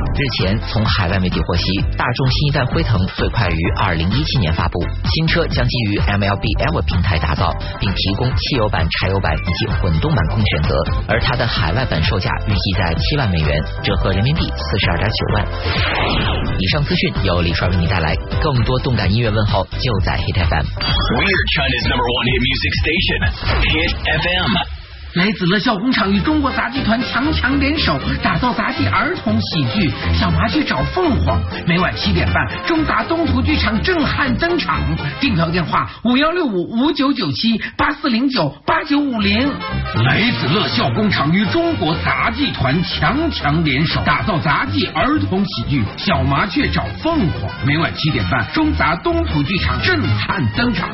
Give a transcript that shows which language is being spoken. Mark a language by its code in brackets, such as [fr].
[zh] 日前从海外媒体获悉，大众新一代辉腾最快于2017年发布，新车将基于 MLB Ever 平台打造，并提供汽油版、柴油版以及混动版供选择，而它的海外版售价预计在7万美元，折合人民币42.9万。以上资讯由李帅为你带来，更多动感音乐问候就在 Hit FM。 [en] We're China's number one hit music station, Hit FM。 [zh] 来紫乐笑工厂与中国杂技团强强联手，打造杂技儿童喜剧《小麻雀找凤凰》，每晚7点半，中达东图剧场震撼登场。订票电话5165-5997-8409-8950。来紫乐笑工厂与中国杂技团强强联手，打造杂技儿童喜剧《小麻雀找凤凰》，每晚7点半，中达东图剧场震撼登场。